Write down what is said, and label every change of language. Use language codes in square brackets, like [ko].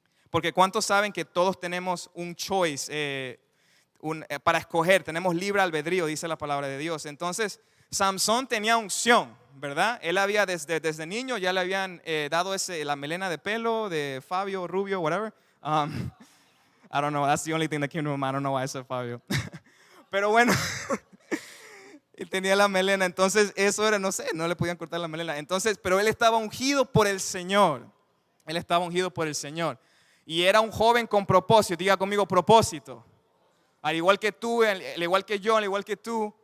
[es] Porque ¿cuántos saben que todos tenemos un choice para escoger? Tenemos libre albedrío, dice la palabra de Dios. Entonces, Samson tenía unción, ¿verdad? Él había desde niño ya le habían dado la melena de pelo de Fabio, rubio, whatever. [en] I don't know, that's the only thing that came to my mind. I don't know why I said Fabio. [es] Pero bueno, él tenía la melena, entonces eso era, no sé, no le podían cortar la melena. Entonces, pero él estaba ungido por el Señor. Él estaba ungido por el Señor. Y era un joven con propósito, diga conmigo, propósito. Al igual que tú, al igual que yo, al igual que tú.